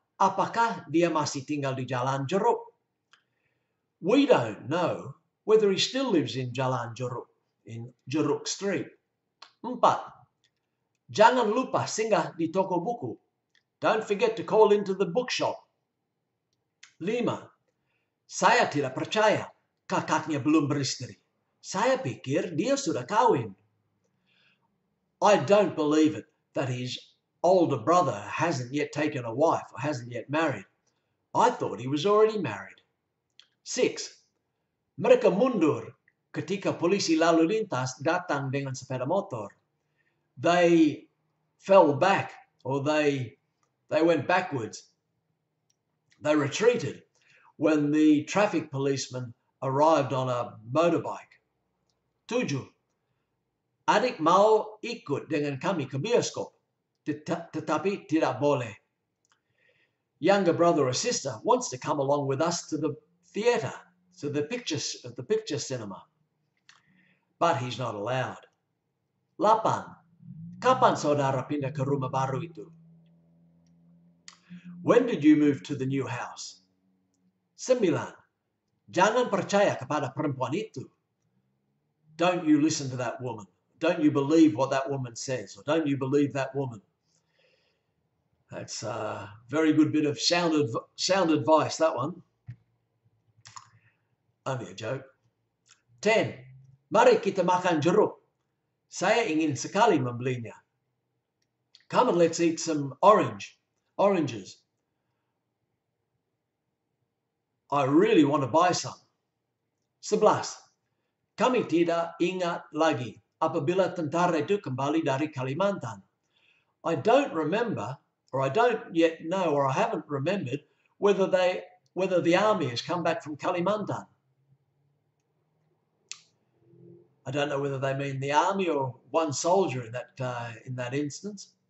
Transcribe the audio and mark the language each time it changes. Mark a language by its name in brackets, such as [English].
[Indonesian] Apakah dia masih tinggal di Jalan Jeruk? [English] We don't know whether he still lives in Jalan Jeruk, in Jeruk Street. [Indonesian] 4. Jangan lupa singgah di toko buku. [English] Don't forget to call into the bookshop. 5. [Indonesian] Saya tidak percaya kakaknya belum beristri. Saya pikir dia sudah kawin. [English] I don't believe it that he's older brother hasn't yet taken a wife or hasn't yet married. I thought he was already married. [Indonesian] 6. Mereka mundur ketika polisi lalu lintas datang dengan sepeda motor. [English] They fell back, or they went backwards. They retreated when the traffic policeman arrived on a motorbike. 7. [Indonesian] Adik mau ikut dengan kami ke bioskop. Tetapi tidak boleh. [English] Younger brother or sister wants to come along with us to the theatre, to the picture cinema. But he's not allowed. [Indonesian] 8. Kapan saudara pindah ke rumah baru itu? [English] When did you move to the new house? 9. [Indonesian] Jangan percaya kepada perempuan itu. [English] Don't you listen to that woman. Don't you believe what that woman says, or don't you believe that woman. That's a very good bit of sound advice, that one. Only a joke. [Indonesian] 10. Mari kita makan jeruk. Saya ingin sekali membelinya. [English] Come and let's eat some oranges. I really want to buy some. [Indonesian] 11. Kami tidak ingat lagi apabila tentara itu kembali dari Kalimantan. [English] I don't remember, or I don't yet know, or I haven't remembered, whether they whether the army has come back from Kalimantan. I don't know whether they mean the army or one soldier in that instance.